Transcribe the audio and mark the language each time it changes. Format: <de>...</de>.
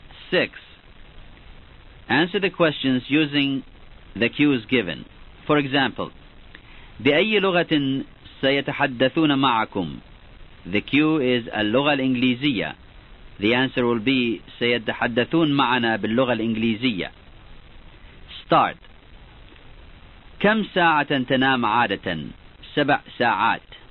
<en>Six. Answer the questions using the cues given. For example,</en> <ar>بأي لغة سيتحدثون معكم?</ar> <en>The cue is</en> <ar>اللغة الإنجليزية.</ar> <en>The answer will be</en> <ar>سيتحدثون معنا باللغة الإنجليزية. Start. كم ساعة تنام عادة? 7 ساعات.</ar>